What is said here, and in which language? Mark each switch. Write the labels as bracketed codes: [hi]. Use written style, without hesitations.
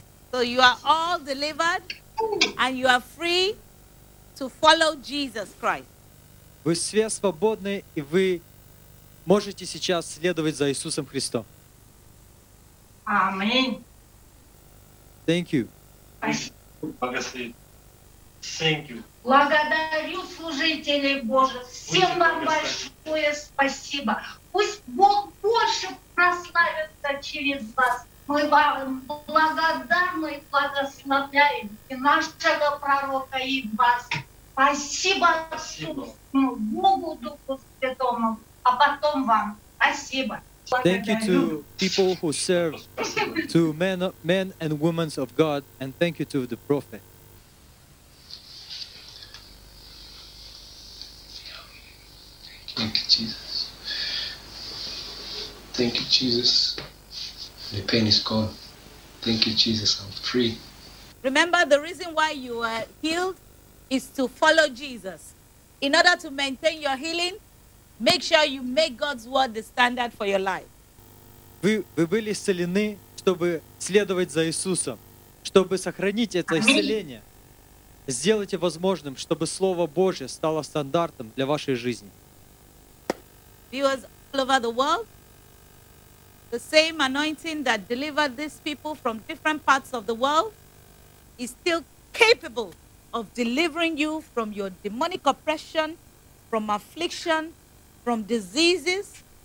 [en] So you are all delivered and you are free to follow Jesus Christ. [ru] Вы все свободны и вы можете сейчас следовать за Иисусом Христом. Аминь. [en] Thank you. Thank you. [ru] Благодарю служителей Божьих. Всем вам большое спасибо. Пусть Бог больше прославится через вас. Мы вам благодарны и благословляем и нашего пророка и вас. Спасибо, спасибо. Богу, Духу Святому, а потом вам. Спасибо. [en] Thank you to people who serve, to men and women of God, and thank you to the prophet. Thank you, Jesus. Thank you, Jesus. The pain is gone. Thank you, Jesus. I'm free. Remember, the reason why you were healed is to follow Jesus. In order to maintain your healing, make sure you make God's word the standard for your life. [ru] Вы были исцелены, чтобы следовать за Иисусом, чтобы сохранить это исцеление. Сделайте возможным, чтобы Слово Божье стало стандартом для вашей жизни. [en] Viewers all over the world, the same anointing that delivered these people from different parts of the world is still capable of delivering you from your demonic oppression, from affliction, from diseases.